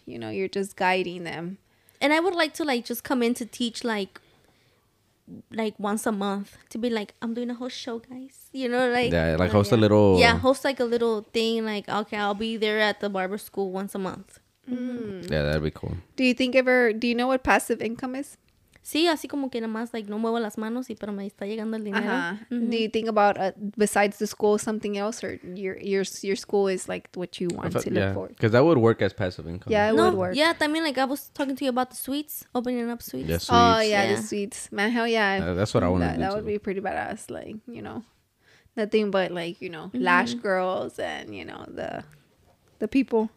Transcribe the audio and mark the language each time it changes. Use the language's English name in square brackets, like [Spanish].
[English] Yeah. You know, you're just guiding them. And I would like to, like, just come in to teach, like once a month. To be like, I'm doing a whole show, guys. You know, like. Yeah, like host a little. Yeah, host, like, a little thing. Like, okay, I'll be there at the barber school once a month. Mm. Yeah, that'd be cool. Do you know what passive income is? [Spanish] Sí, así como que nada más, like, no muevo las manos, y pero me está llegando el dinero. [English] Do you think about, besides the school, something else, or your school is, like, what you want to look for? Because that would work as passive income. Yeah, it would work. Yeah, también, like, I was talking to you about the sweets, opening up sweets. Yeah, sweets. Oh, yeah, the sweets. Man, hell yeah. That's what I want to do, that would be pretty badass, like, you know, nothing but, like, you know, lash girls and, you know, the people.